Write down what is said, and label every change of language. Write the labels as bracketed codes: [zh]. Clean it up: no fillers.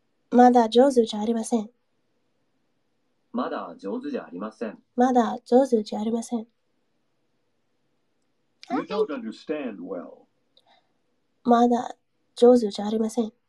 [ja] まだ上手じゃありません。まだ上手じゃありません。まだ上手じゃありません。 [en] You don't understand well. [ja] まだ上手じゃありません。